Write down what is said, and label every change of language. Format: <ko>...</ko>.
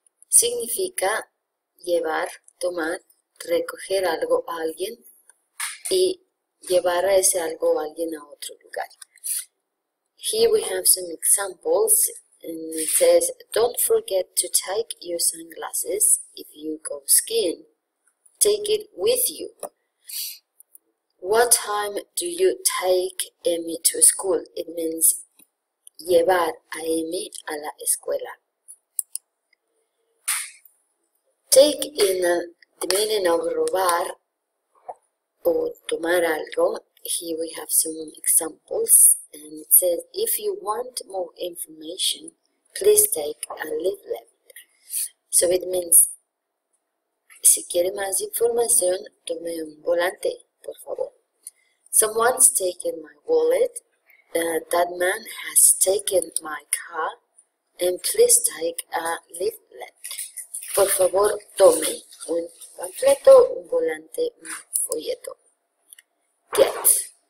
<es>Significa llevar, tomar, recoger algo a alguien y llevar a ese algo a alguien a otro lugar.</es> <en>Here we have some examples, and it says, don't forget to take your sunglasses if you go skiing. Take it with you. What time do you take Emmy to school? It means</en> <es>llevar a Emmy a la escuela.</es> <en>Take in a the meaning of</en> <es>robar o tomar algo.</es> <en>Here we have some examples, and it says, if you want more information, please take a leaflet. So it means,</en> <es>si quiere más información, tome un volante, por favor.</es> <en>Someone's taken my wallet. That man has taken my car. And please take a leaflet.</en> <es>Por favor, tome un panfleto, un volante, un folleto. Get.</es>